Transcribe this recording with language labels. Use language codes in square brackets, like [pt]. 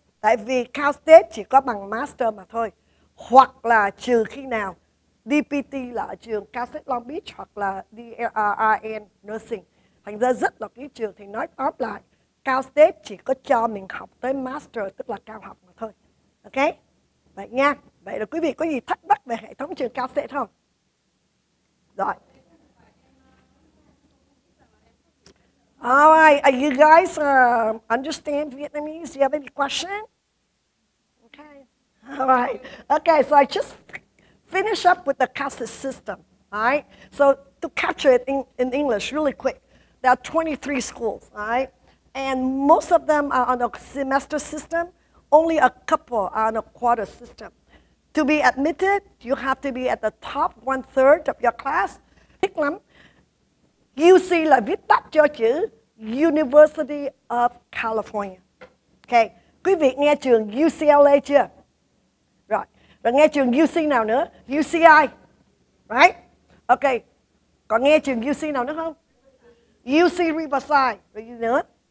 [vi] Tại vì Cal State chỉ có bằng Master mà thôi. Hoặc là trừ khi nào DPT là ở trường Cal State Long Beach hoặc là DRN Nursing. Thành ra rất là cái trường. Thì nói tóm lại, Cal State chỉ có cho mình học tới Master, tức là cao học mà thôi. Ok? Vậy nha. Vậy là quý vị có gì thắc mắc về hệ thống trường Cal State không? Rồi. [en] Alright, are you guys understand Vietnamese? Do you have any question? Okay. Alright. Okay, so I just finish up with the caste system. Alright? So to capture it in English really quick, there are 23 schools, alright? And most of them are on a semester system. Only a couple are on a quarter system. To be admitted, you have to be at the top one-third of your class. [vi] Thích lắm. UC là viết tắt cho chữ University of California. Okay. Quý vị nghe trường UCLA chưa? Rồi. Rồi nghe trường UC nào nữa? UCI. Right? Okay. Còn nghe trường UC nào nữa không? UC Riverside. Rồi gì nữa?